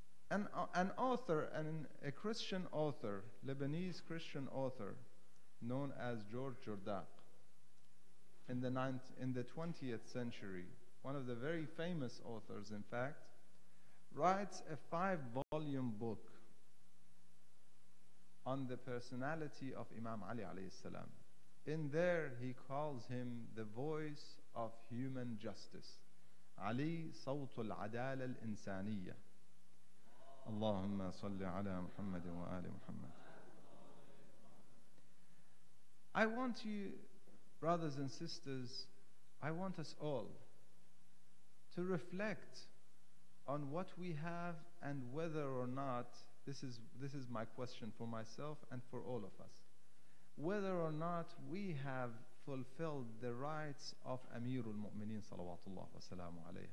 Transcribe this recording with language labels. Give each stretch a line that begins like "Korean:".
English: An author, a Christian author, Lebanese Christian author, known as George Jordaq, in the 20th century, one of the very famous authors, in fact, writes a 5-volume book on the personality of Imam Ali alayhi salam. In there, he calls him the voice of human justice.
Arabic: Ali صوت العدالة الإنسانية. اللهم صل على محمد وآل محمد.
English: I want you, brothers and sisters, I want us all to reflect on what we have and whether or not, this is my question for myself and for all of us, whether or not we have fulfilled the rights of Amirul Mu'mineen salawatullah wa salamu alayhi.